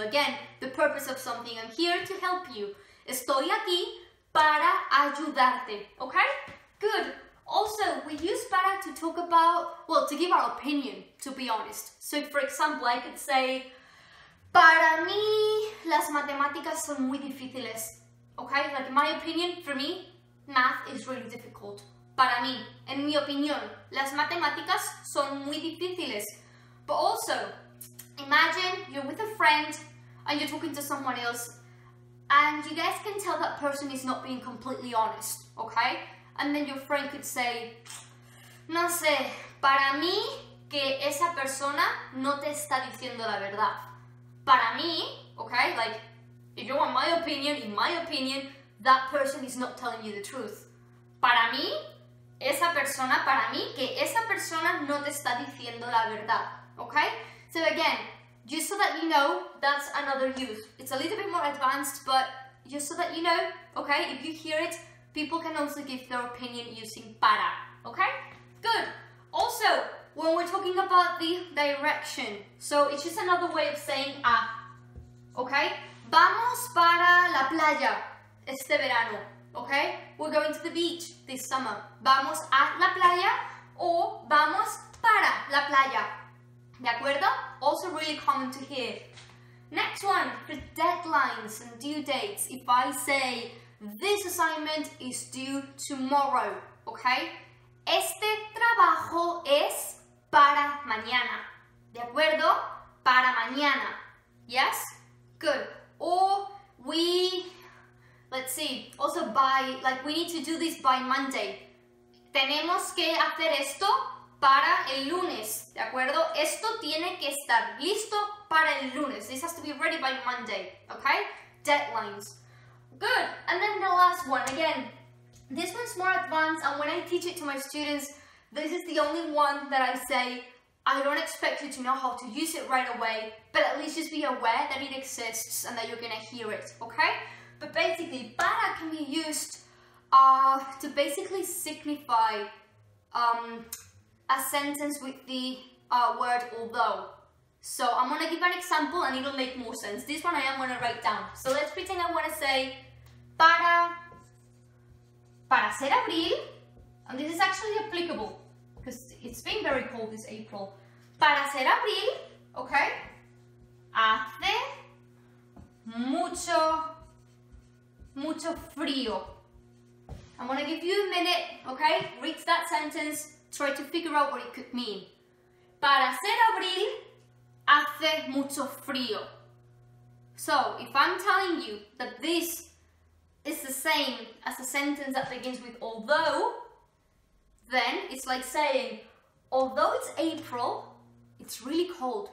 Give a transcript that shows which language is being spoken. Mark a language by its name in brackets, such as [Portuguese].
[English] Again, the purpose of something. I'm here to help you. [Spanish] Estoy aquí para ayudarte. [English] Okay? Good. Also, we use para to talk about, well, to give our opinion, to be honest. So, for example, I could say, [Spanish] para mí, las matemáticas son muy difíciles. [English] Okay? Like, my opinion, for me, math is really difficult. [Spanish] Para mí, en mi opinión, las matemáticas son muy difíciles. [English] But also, imagine you're with a friend and you're talking to someone else and you guys can tell that person is not being completely honest, okay? And then your friend could say, [Spanish] no sé, para mí que esa persona no te está diciendo la verdad. Para mí, [English] okay, like, if you want my opinion, in my opinion, that person is not telling you the truth. [Spanish] Para mí, esa persona, para mí que esa persona no te está diciendo la verdad, okay? [English] So again, just so that you know, that's another use. It's a little bit more advanced, but just so that you know, okay, if you hear it, people can also give their opinion using para, okay? Good. Also, when we're talking about the direction, so it's just another way of saying a, okay? [Spanish] Vamos para la playa este verano, okay? [English] We're going to the beach this summer. [Spanish] Vamos a la playa or vamos para la playa, ¿de acuerdo? [English] Also really common to hear. Next one, for deadlines and due dates, if I say, this assignment is due tomorrow, okay? [Spanish] Este trabajo es para mañana. ¿De acuerdo? Para mañana. Yes? Good. [English] Or we, let's see, also by, like we need to do this by Monday. [Spanish] Tenemos que hacer esto para el lunes. ¿De acuerdo? Esto tiene que estar listo para el lunes. [English] This has to be ready by Monday, okay? Deadlines. Good. And then the last one, again, this one's more advanced, and when I teach it to my students, this is the only one that I say, I don't expect you to know how to use it right away, but at least just be aware that it exists and that you're gonna hear it, okay? But basically, para can be used to basically signify a sentence with the word although. So I'm gonna give an example and it'll make more sense. This one I am gonna write down. So let's pretend I wanna say, [Spanish] Para ser abril, [English] and this is actually applicable because it's been very cold this April. [Spanish] Para ser abril, okay, hace mucho, mucho frío. [English] I'm gonna give you a minute, okay, read that sentence, try to figure out what it could mean. [Spanish] Para ser abril, hace mucho frío. [English] So, if I'm telling you that this is the same as a sentence that begins with although, then it's like saying, although it's April, it's really cold.